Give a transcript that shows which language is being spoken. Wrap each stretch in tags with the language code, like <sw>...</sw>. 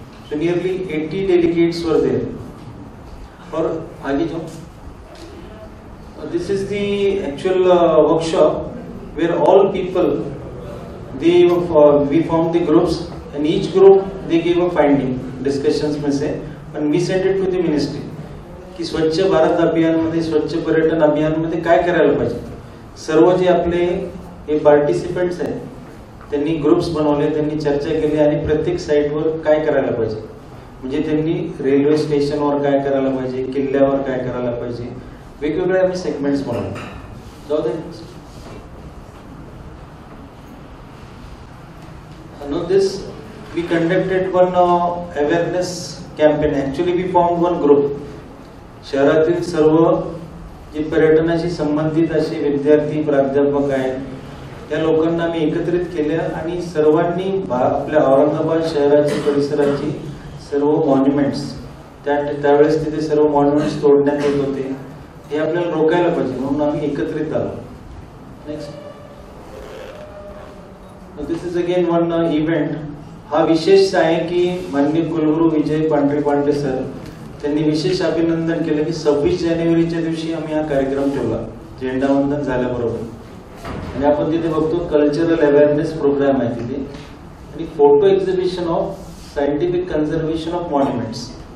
<en>So nearly 80 delegates were there.</en> <hi>और आगे जो,</hi> <en>this is the actual workshop where all people we formed the groups and each group they gave a finding discussions में से and we sent it to the ministry</en> <hi>कि स्वच्छ भारत अभियान में थे, स्वच्छ पर्यटन अभियान में थे, क्या करा लगा जाए।</hi> <mr>सर्व जे आपले हे पार्टिसिपेंट्स आहेत त्यांनी ग्रुप्स बनवले, त्यांनी चर्चा केली आणि प्रत्येक साईटवर काय करायला पाहिजे, म्हणजे त्यांनी रेल्वे स्टेशनवर काय करायला पाहिजे, किल्ल्यावर काय करायला पाहिजे, वेगवेगळे आम्ही सेगमेंट्स बनवले।</mr> <en>जाऊ दे, no this, we conducted one awareness campaign. Actually we form one group,</en> <mr>शहरातील सर्व जे पर्यटनाशी संबंधित असे विद्यार्थी प्राध्यापक आहेत त्या लोकांना आम्ही एकत्रित केले आणि सर्वांनी आपल्या औरंगाबाद शहराची परिसराची सर्व मॉन्युमेंट्स, त्यावेळेस तिथे सर्व मॉन्युमेंट्स तोडण्यात येत होते हे आपल्याला रोखायला पाहिजे, म्हणून आम्ही एकत्रित आलो।</mr> <en>Next, this is again one event.</en> <mr>हा विशेष आहे की माननीय कुलगुरू विजय पांढरे पांडे सर त्यांनी विशेष अभिनंदन केलं की 26 जानेवारीच्या दिवशी आम्ही हा कार्यक्रम ठेवला झेंडा वंदन झाल्याबरोबर, आणि आपण तिथे बघतो कल्चरल अवेअरनेस प्रोग्राम आहे तिथे आणि</mr> <en>Photo exhibition of scientific conservation of monuments.</en>